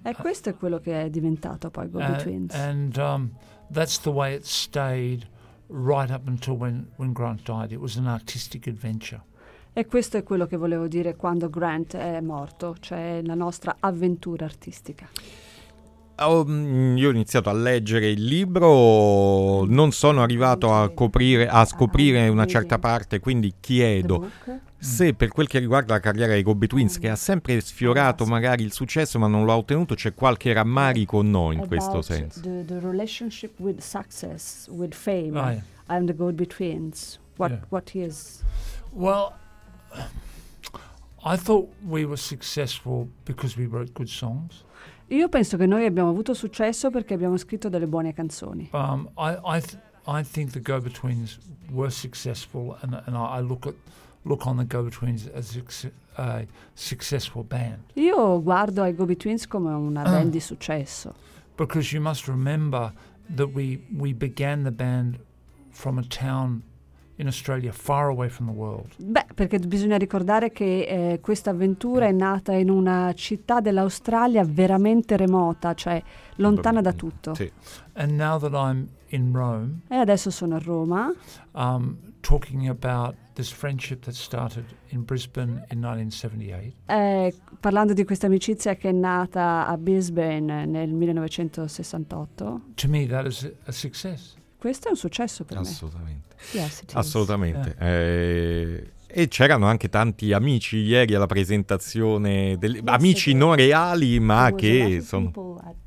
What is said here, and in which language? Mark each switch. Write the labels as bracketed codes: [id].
[it] E questo è quello che è diventato poi Go-Betweens. [en] And that's the way it stayed right up until when Grant died. It was an artistic adventure. [it] E questo è quello che volevo dire quando Grant è morto, cioè la nostra avventura artistica. Io ho iniziato a leggere il libro, non sono arrivato a scoprire una certa parte, quindi chiedo se per quel che riguarda la carriera dei Go-Betweens, che ha sempre sfiorato magari il successo ma non l'ha ottenuto, c'è qualche rammarico o no in questo senso. [en] The relationship with success, with fame, and the Go-Betweens, what is? Well, I thought we were successful because we wrote good songs. [it] Io penso che noi abbiamo avuto successo perché abbiamo scritto delle buone canzoni. [en] I think the Go-Betweens were successful, and I look on the Go-Betweens as a successful band. [it] Io guardo ai Go-Betweens come una band di successo. [en] Because you must remember that we began the band from a town in Australia, far away from the world. [it] Beh, perché bisogna ricordare che questa avventura è nata in una città dell'Australia veramente remota, cioè lontana da tutto. [en] And now that I'm in Rome. [it] E adesso sono a Roma. [en] Talking about this friendship that started in Brisbane in 1978. [it] Parlando di questa amicizia che è nata a Brisbane nel 1968. [en] To me that is a success. [it] Questo è un successo per assolutamente. [en] Me. Yes, [it] assolutamente. Assolutamente. Yeah. E c'erano anche tanti amici ieri alla presentazione, degli, yes, amici non reali, ma che sono...